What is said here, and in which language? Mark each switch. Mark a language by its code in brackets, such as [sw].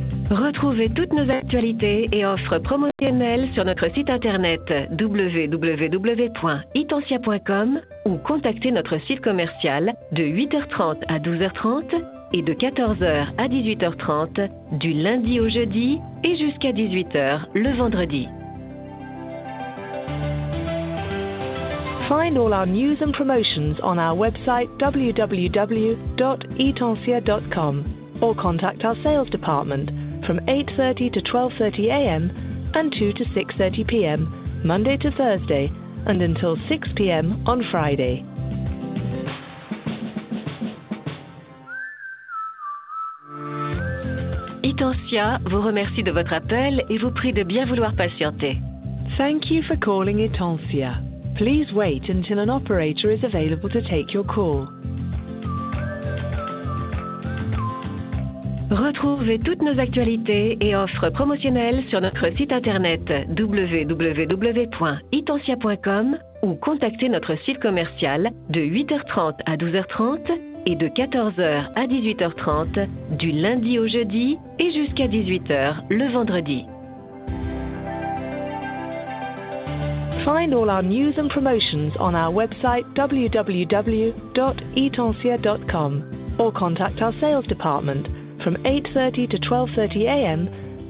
[fr] Retrouvez toutes nos actualités et offres promotionnelles sur notre site internet www.itansia.com ou contactez notre site commercial de 8h30 à 12h30 et de 14h à 18h30 du lundi au jeudi et jusqu'à 18h le vendredi. [en] Find all our news and promotions on our website www.itansia.com or contact our sales department from 8:30 to 12:30 a.m. and 2 to 6:30 p.m. Monday to Thursday and until 6 p.m. on Friday. [fr] Itansia vous remercie de votre appel et vous prie de bien vouloir patienter. [en] Thank you for calling Itansia. Please wait until an operator is available to take your call. [fr] Retrouvez toutes nos actualités et offres promotionnelles sur notre site internet www.itansia.com ou contactez notre site commercial de 8h30 à 12h30 et de 14h à 18h30 du lundi au jeudi et jusqu'à 18h le vendredi. [en] Find all our news and promotions on our website www.etancia.com or contact our sales department from 8:30 to 12:30 a.m.